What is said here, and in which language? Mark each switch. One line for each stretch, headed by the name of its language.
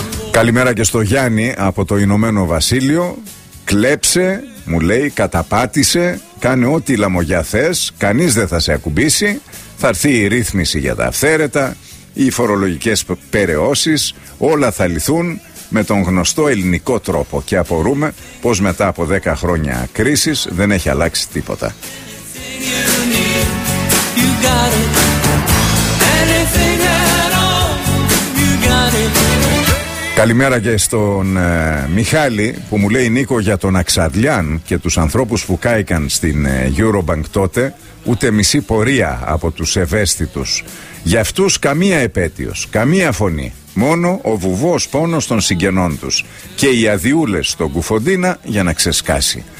Greek: Καλημέρα και στο Γιάννη από το Ηνωμένο Βασίλειο. Κλέψε, μου λέει, καταπάτησε, κάνε ό,τι λαμογιά θες, κανείς δεν θα σε ακουμπήσει, θα έρθει η ρύθμιση για τα αυθαίρετα, οι φορολογικές περαιώσεις, όλα θα λυθούν με τον γνωστό ελληνικό τρόπο και απορούμε πως μετά από 10 χρόνια κρίσης δεν έχει αλλάξει τίποτα.
English: Anything you need, you got it.
Greek: Καλημέρα και στον Μιχάλη που μου λέει: Νίκο, για τον Αξαρλιάν και τους ανθρώπους που κάηκαν στην Eurobank τότε, ούτε μισή πορεία από τους ευαίσθητους. Για αυτούς καμία επέτειος, καμία φωνή. Μόνο ο βουβός πόνος των συγγενών τους και οι αδειούλες στον Κουφοντίνα για να ξεσκάσει.